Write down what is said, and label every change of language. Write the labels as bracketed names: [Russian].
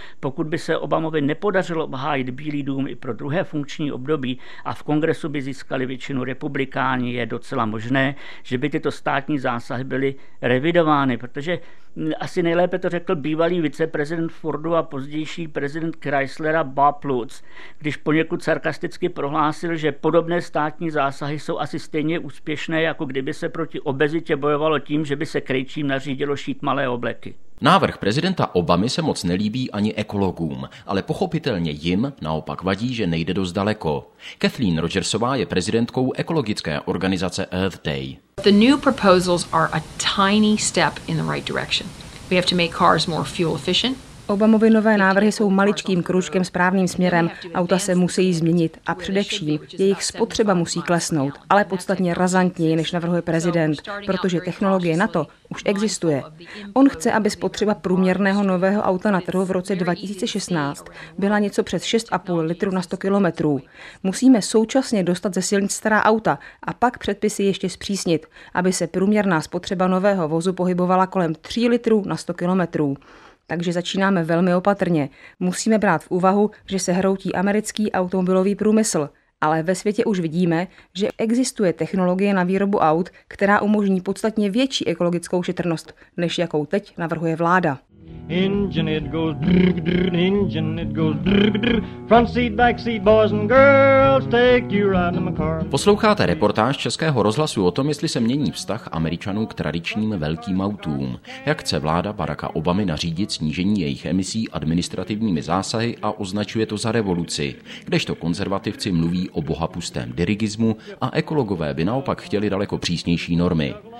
[Czech] Pokud by se Obamovi nepodařilo obhájit Bílý dům i pro druhé funkční období a v kongresu by získali většinu republikáni, je docela možné, že by tyto státní zásahy byly revidovány, protože asi nejlépe to řekl bývalý viceprezident Fordu a pozdější prezident Chryslera Bob Lutz, když poněkud sarkasticky prohlásil, že podobné státní zásahy jsou asi stejně úspěšné, jako kdyby se proti obezitě bojovalo tím, že by se krejčím nařídilo šít malé obleky. Návrh prezidenta Obamy se moc nelíbí ani ekologům, ale pochopitelně jim naopak vadí, že nejde dost daleko. Kathleen Rogersová je prezidentkou ekologické organizace Earth Day. [English] The new proposals are a tiny step in the right direction. We have to make cars more fuel efficient. [Czech] Obamovy nové návrhy jsou maličkým kružkem správným směrem. Auta se musí změnit a především jejich spotřeba musí klesnout, ale podstatně razantněji, než navrhuje prezident, protože technologie na to už existuje. On chce, aby spotřeba průměrného nového auta na trhu v roce 2016 byla něco přes 6,5 litru na 100 kilometrů. Musíme současně dostat ze silnic stará auta a pak předpisy ještě zpřísnit, aby se průměrná spotřeba nového vozu pohybovala kolem 3 litrů na 100 kilometrů. Takže začínáme velmi opatrně. Musíme brát v úvahu, že se hroutí americký automobilový průmysl. Ale ve světě už vidíme, že existuje technologie na výrobu aut, která umožní podstatně větší ekologickou šetrnost, než jakou teď navrhuje vláda. [English] Engine it goes drrr, drrr, engine it goes drrr, drrr, front seat, back seat, boys and girls, take you right in my car. [Czech] Posloucháte reportáž Českého rozhlasu o tom, jestli se mění vztah Američanů k tradičním velkým autům. Jak chce vláda Baracka Obamy nařídit snížení jejich emisí administrativními zásahy a označuje to za revoluci, kdežto konzervativci mluví o bohapustém dirigismu a ekologové by naopak chtěli daleko přísnější normy.